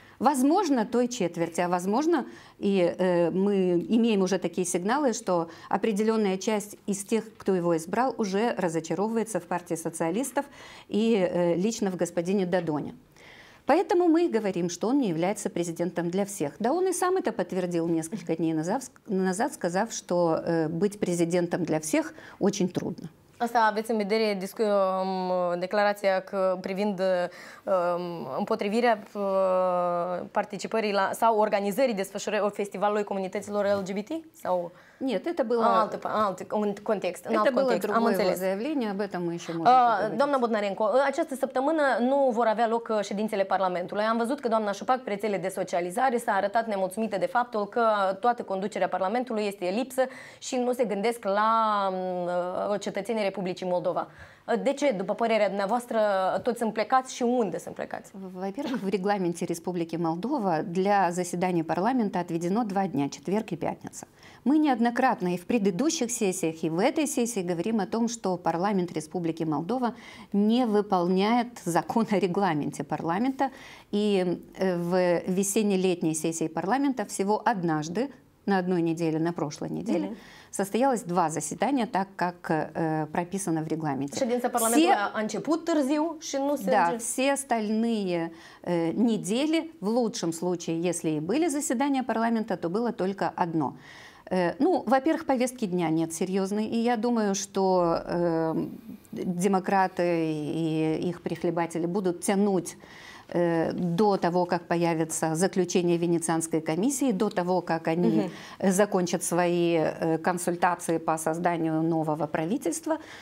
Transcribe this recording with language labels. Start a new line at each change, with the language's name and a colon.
Russian: Возможно, той четверти, а возможно, и мы имеем уже такие сигналы, что определенная часть из тех, кто его избрал, уже разочаровывается в партии социалистов и лично в господине Дадоне. Поэтому мы говорим, что он не является президентом для всех. Да он и сам это подтвердил несколько дней назад, сказав, что быть президентом для всех очень трудно.
Romanian: Asta aveți în vedere declarația că privind împotrivirea participării la, sau organizării desfășurării festivalului comunităților LGBT? Sau...
Russian: Нет, это было...
Romanian: Alt context.
Russian: Это было
Romanian: context.
Russian: Другое
Romanian: înțeles.
Russian: Заявление, об этом мы еще можем поговорить.
Romanian: Doamna Bodnarenko, această săptămână nu vor avea loc ședințele Parlamentului. Am văzut că doamna Șupac, pe rețele de socializare, s-a arătat nemulțumită de faptul că toată conducerea Parlamentului este elipsă și nu se gândesc la cetățenii Republicii Moldova. De ce, după părerea dumneavoastră, toți sunt plecați și unde sunt plecați?
Russian: Во-первых, в регламенте Республики Молдова для заседания парламента отведено два дня, четверг и пятница. Мы неоднократно и в предыдущих сессиях, и в этой сессии говорим о том, что парламент Республики Молдова не выполняет закон о регламенте парламента. И в весенне-летней сессии парламента всего однажды, на одной неделе, на прошлой неделе, состоялось два заседания, так как прописано в регламенте.
Romanian: Ședința parlamentului a început târziu și nu se...
Russian: Да, все остальные недели, в лучшем случае, если и были заседания парламента, то было только одно. Ну, во-первых, повестки дня нет серьезной, и я думаю, что демократы и их прихлебатели будут тянуть до того, как появится заключение Венецианской комиссии, до того, как они закончат свои консультации по созданию нового правительства.